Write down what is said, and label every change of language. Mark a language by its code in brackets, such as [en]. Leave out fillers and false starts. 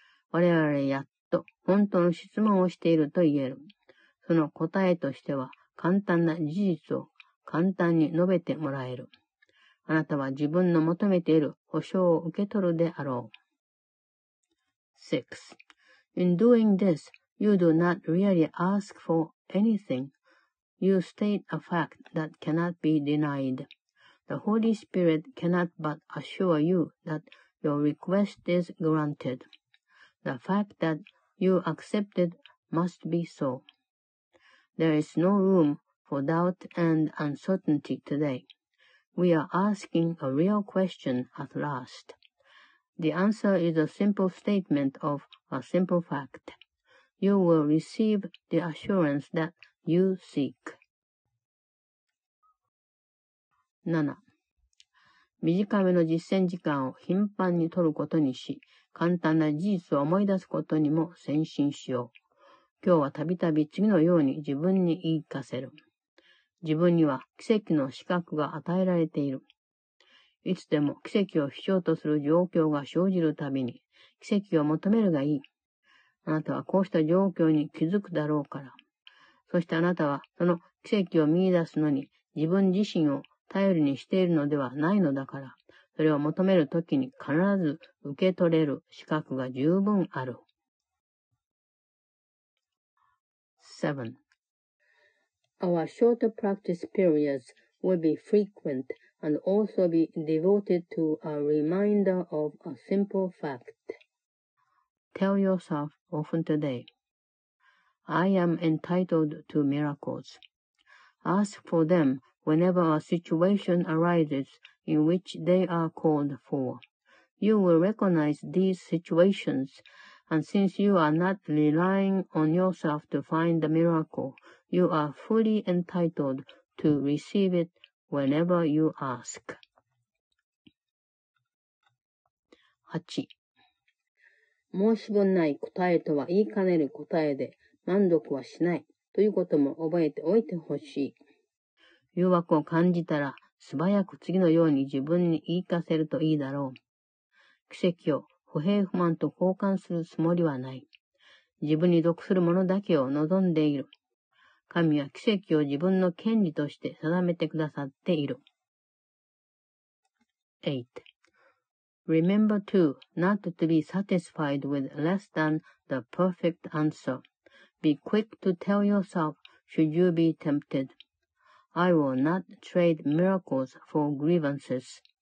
[ja] 我々やっと本当の質問をしていると言える。その答えとしては簡単な事実を簡単に述べてもらえる。あなたは自分の求めている保証を受け取るであろう。 [en] 6. In doing this, you do not really ask for anything. You state a fact that cannot be denied. The Holy Spirit cannot but assure you that your request is granted. The fact that you accept it must be so. There is no room for doubt and uncertainty today. We are asking a real question at last. The answer is a simple statement ofA simple fact. You will receive the assurance that you seek. [ja] 7. 短めの実践時間を頻繁に取ることにし、簡単な事実を思い出すことにも専心しよう。今日はたびたび次のように自分に言い聞かせる。自分には奇跡の資格が与えられている。いつでも奇跡を必要とする状況が生じるたびに、奇跡を求めるがいい。あなたはこうした状況に気づくだろうから。そしてあなたはその奇跡を見出すのに自分自身を頼りにしているのではないのだから、それを求めるときに必ず受け取れる資格が十分ある。 [en] 7. Our short practice periods will be frequent and also be devoted to a reminder of a simple fact. Tell yourself often today, I am entitled to miracles. Ask for them whenever a situation arises in which they are called for. You will recognize these situations, and since you are not relying on yourself to find the miracle, you are fully entitled to receive it whenever you ask. [ja] 8. 申し分ない答えとは言いかねる答えで満足はしないということも覚えておいてほしい。誘惑を感じたら素早く次のように自分に言い聞かせるといいだろう。奇跡を不平不満と交換するつもりはない。自分に属するものだけを望んでいる。神は奇跡を自分の権利として定めてくださっている。 [en] 8. Remember too not to be satisfied with less than the perfect answer. Be quick to tell yourself should you be tempted. I will not trade miracles for grievances.